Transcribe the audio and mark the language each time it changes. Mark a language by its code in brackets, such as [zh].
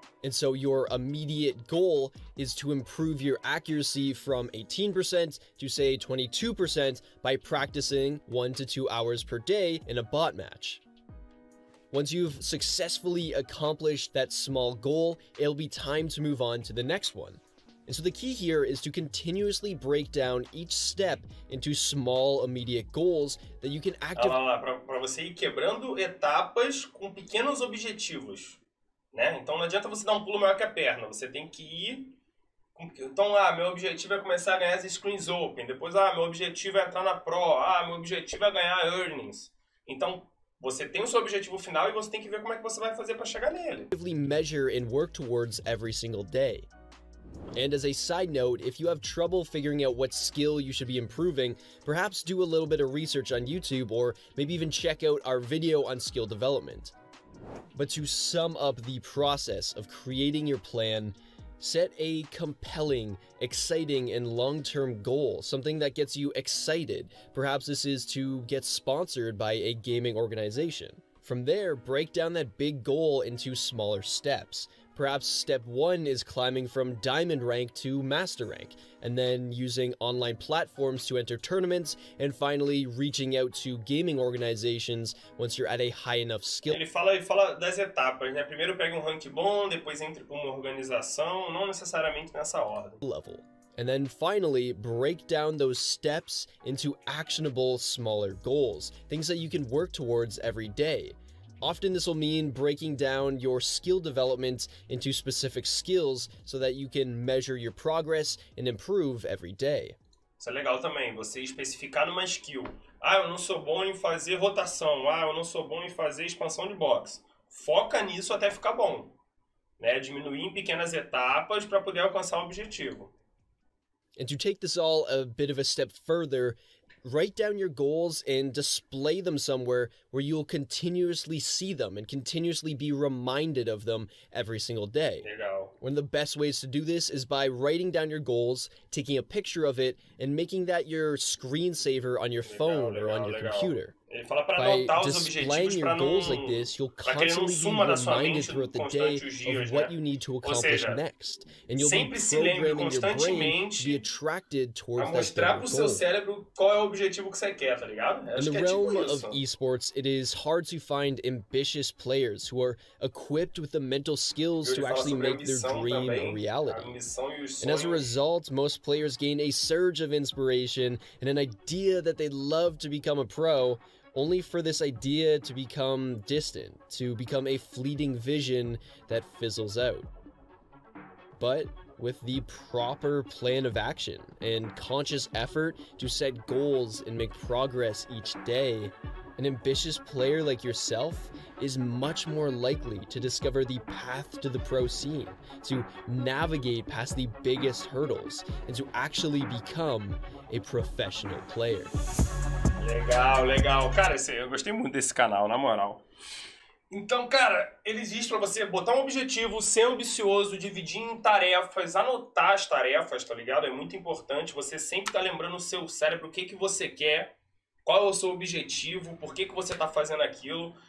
[en] And so your immediate goal is to improve your accuracy from 18% to say 22% by practicing 1 to 2 hours per day in a bot match. Once you've successfully accomplished that small goal, it'll be time to move on to the next one. And so the key here is to continuously break down each step into small immediate goals that you can actively... [pt] Pra você ir quebrando etapas com pequenos objetivos. Né? Então não adianta você dar um pulo maior que a perna, você tem que ir... Então, meu objetivo é começar a ganhar as screens open, depois, meu objetivo é entrar na pro, meu objetivo é ganhar earnings. Então, você tem o seu objetivo final e você tem que ver como é que você vai fazer para chegar nele. [en] Actively measure and work towards every single day. And as a side note, if you have trouble figuring out what skill you should be improving, perhaps do a little bit of research on YouTube or maybe even check out our video on skill development. But to sum up the process of creating your plan, set a compelling, exciting, and long-term goal, something that gets you excited. Perhaps this is to get sponsored by a gaming organization. From there, break down that big goal into smaller steps. Perhaps step one is climbing from diamond rank to master rank, and then using online platforms to enter tournaments, and finally reaching out to gaming organizations once you're at a high enough skill. [pt] Ele fala das etapas, né? Primeiro pega um rank bom, depois entra pra uma organização, não necessariamente nessa ordem. [en] Level. And then finally, break down those steps into actionable, smaller goals, things that you can work towards every day. Often this will mean breaking down your skill development into specific skills so that you can measure your progress and improve every day. [pt] Isso é legal também, você especificar numa skill. Eu não sou bom em fazer rotação. Eu não sou bom em fazer expansão de box. Foca nisso até ficar bom. Né? Diminuir em pequenas etapas para poder alcançar o objetivo. [en] And to take this all a bit of a step further, write down your goals and display them somewhere where you'll continuously see them and continuously be reminded of them every single day. One of the best ways to do this is by writing down your goals, taking a picture of it, and making that your screensaver on your phone or on your computer. [pt] Ele fala para anotar os objetivos para que ele não suma da sua mente durante os dias, né? Ou seja, sempre se lembre constantemente para mostrar para o seu cérebro qual é o objetivo que você quer, tá ligado? Acho que é tipo isso. No mundo de esportes, é difícil encontrar ambiciosos jogadores que estão equipados com as habilidades mentais para realmente fazer seu sonho uma realidade. E, como resultado, muitos jogadores ganham um surge de inspiração e uma ideia de que eles gostariam de ser um pro. [en] Only for this idea to become distant, to become a fleeting vision that fizzles out. But with the proper plan of action and conscious effort to set goals and make progress each day, an ambitious player like yourself is much more likely to discover the path to the pro scene, to navigate past the biggest hurdles, and to actually become a professional player. [pt] Legal, legal. Cara, eu gostei muito desse canal, na moral. Então, cara, ele diz pra você botar um objetivo, ser ambicioso, dividir em tarefas, anotar as tarefas, tá ligado? É muito importante você sempre estar lembrando o seu cérebro o que, que você quer, qual é o seu objetivo, por que, que você tá fazendo aquilo.